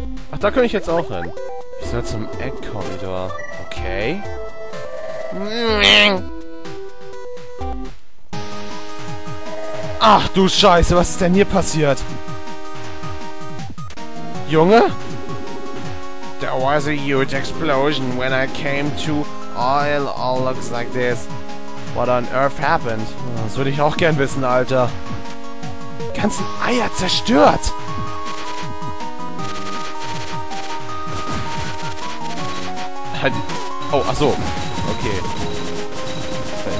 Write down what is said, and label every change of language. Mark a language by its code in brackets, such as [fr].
[de] Ach, da kann ich jetzt auch hin. Ich soll zum egg corridor. Okay. Ach du Scheiße, was ist denn hier passiert? Junge? [en] There was a huge explosion when I came to. Oil all looks like this. What on earth happened? [de] Das würde ich auch gern wissen, Alter. Ganzen Eier zerstört! Oh, achso. Okay.